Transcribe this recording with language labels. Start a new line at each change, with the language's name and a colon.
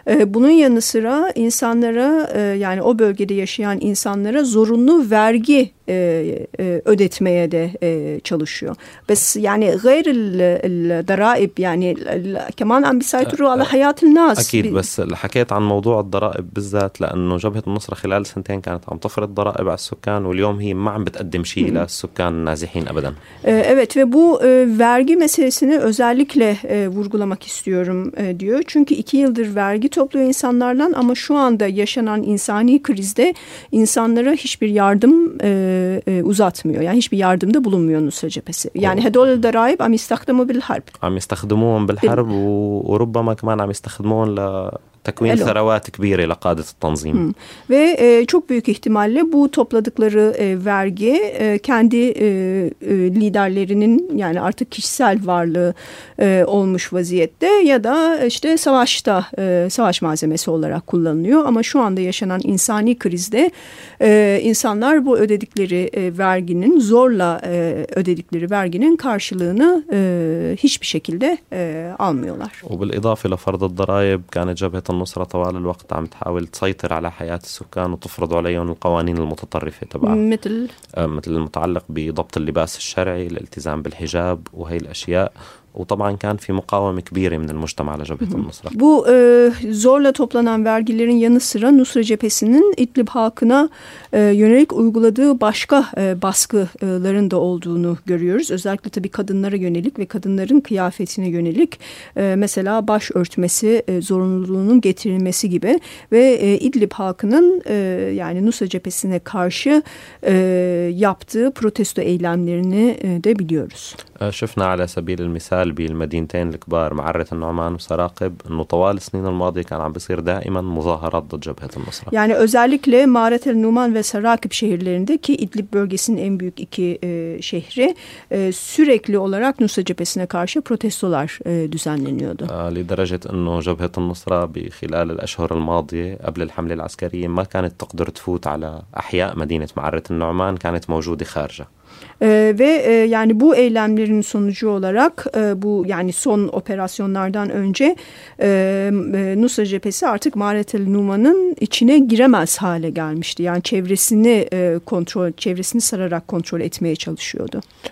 Turkish: Bunun yanı sıra insanlara yani o bölgede yaşayan insanlara zorunlu vergi ödetmeye de çalışıyor.
Arabic: Bes yani غير الضرائب yani كمان عم بيسيطروا على حياة الناس. أكيد بس حكيت عن موضوع الضرائب بالذات لأنه جبهة النصرة خلال سنتين كانت عم تفرض ضرائب على السكان واليوم هي ما عم بتقدم شيء للسكان النازحين أبدا.
Turkish: Evet ve bu vergi meselesini özellikle vurgulamak istiyorum diyor. Çünkü iki yıldır vergi topluyor insanlardan ama şu anda yaşanan insani krizde insanlara hiçbir yardım uzatmıyor. Yani hiçbir yardımda bulunmuyor Nusra cephesi.
Arabic: Yani هدول الضرائب عم يستخدموا بالحرب. عم يستخدموهم بالحرب وربما كمان عم يستخدموهم لتكوين ثروات كبيرة لقادة التنظيم.
Turkish: Ve çok büyük ihtimalle bu topladıkları vergi kendi liderlerinin yani artık kişisel varlığı olmuş vaziyette ya da işte savaşta savaş malzemesi olarak kullanılıyor ama şu anda yaşanan insani krizde insanlar bu ödedikleri verginin zorla ödedikleri verginin karşılığını hiçbir şekilde almıyorlar.
Arabic: وبالاضافه لفرض الضرائب كانت جبهة النصرة طوال الوقت عم تحاول تسيطر على حياة السكان وتفرض عليهم القوانين المتطرفة تبعها مثل المتعلق بضبط اللباس الشرعي الالتزام بالحجاب وهي الاشياء وطبعاً كان في مقاومة كبيرة من المجتمع على جبهة النصرة.
Turkish: Bu zorla toplanan vergilerin yanı sıra Nusra cephesinin İdlib halkına yönelik uyguladığı başka baskıların da olduğunu görüyoruz. Özellikle tabii kadınlara yönelik ve kadınların kıyafetine yönelik mesela baş örtmesi zorunluluğunun getirilmesi gibi ve İdlib halkının yani Nusra cephesine karşı yaptığı protesto eylemlerini de biliyoruz.
Arabic: شفنا على سبيل المثال بالمدينتين الكبار معرة النعمان وسراقب أنه طوال السنين الماضية كان عم بيصير دائما مظاهرات ضد جبهة النصرة.
Turkish: يعني özellikle معرة النعمان ve Saraqib şehirlerinde ki İdlib bölgesinin en büyük iki şehri sürekli olarak Nusra cephesine karşı protestolar düzenleniyordu.
Arabic: لدرجة أنه جبهة النصرة بخلال الأشهر الماضية قبل الحملة العسكرية ما كانت تقدر تفوت على أحياء مدينة معرة النعمان كانت موجودة خارجها.
Turkish: Ve yani bu eylemlerin sonucu olarak bu yani son operasyonlardan önce Nusra cephesi artık Ma'aret el-Numan'ın içine giremez hale gelmişti. Yani çevresini kontrol çevresini sararak kontrol etmeye çalışıyordu.